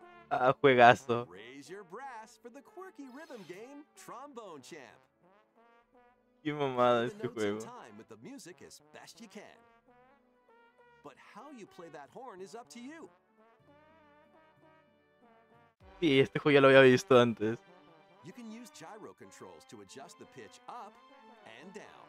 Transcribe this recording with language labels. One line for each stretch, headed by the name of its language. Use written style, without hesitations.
Spanish: Ah, juegazo.
English: Raise your brass for the quirky rhythm game Trombone Champ.
Spanish: Qué mamada este juego.
English: Time with the music as best you can. But how you play that horn is up to you.
Spanish: Sí, este juego ya lo había visto antes.
English: You can use gyro controls to adjust the pitch up and down.